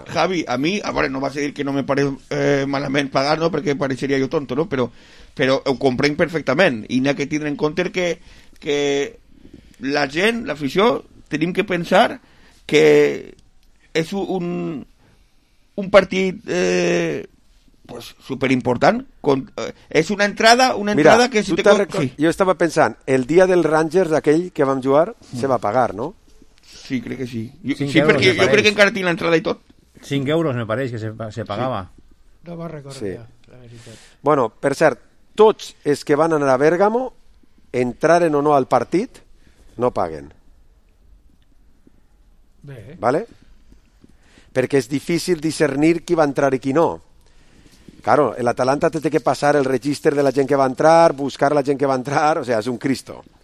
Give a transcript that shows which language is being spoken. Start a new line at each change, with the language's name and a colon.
Catalan: Sí. Javi, a mi, a veure, no vas a dir que no me pareix malament pagar, no? Perquè pareixeria jo tonto, no? Però ho comprenc perfectament. I n'hi ha que tindre en compte que la gent, l'afició, tenim que pensar que és un partit...
Spanish: pues súper importante, es una entrada, una mira, entrada que si te sí. Yo estaba pensando, el día del Rangers aquel
Catalan: que vam jugar
Spanish: se va a pagar, ¿no? Sí, creo que sí. Yo, sí, porque yo creo que
Catalan: encara tinc
Spanish: la entrada y todo. 5 euros me parece que se pagaba. Sí. No va a recordar, sí.
Catalan: La veritat. Bueno, per cert, tots els que van anar a Bèrgamo entraren o no al partit, no paguen. Bé. Vale? Perquè és difícil discernir qui va entrar i qui no. Claro, l'Atalanta té que passar el registre de la gent que va entrar, buscar la gent que va entrar, o sea, és un cristo.